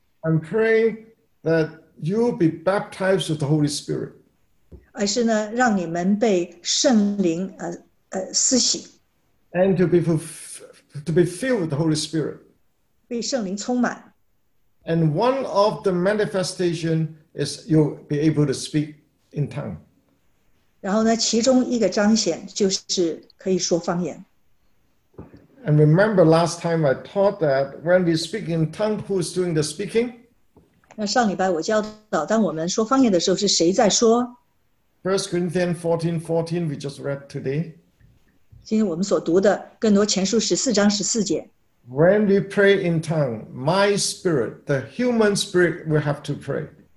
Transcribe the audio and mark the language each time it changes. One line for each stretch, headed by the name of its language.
English: I'm praying that you be baptized with the Holy Spirit.
Chinese: 而是呢，让你们被圣灵私洗。
English: And to be filled with the Holy Spirit.
Chinese: 被圣灵充满。
English: And one of the manifestations is you'll be able to speak in tongue.
Chinese: 然后呢，其中一个彰显就是可以说方言。
English: And remember last time I taught that when we speak in tongue, who's doing the speaking?
Chinese: 那上礼拜我教导，当我们说方言的时候，是谁在说？
English: 1 Corinthians 14:14 we just read today.
Chinese: 今天我们所读的更多前书14章14节。
English: When we pray in tongue, my spirit, the human spirit, will have to pray.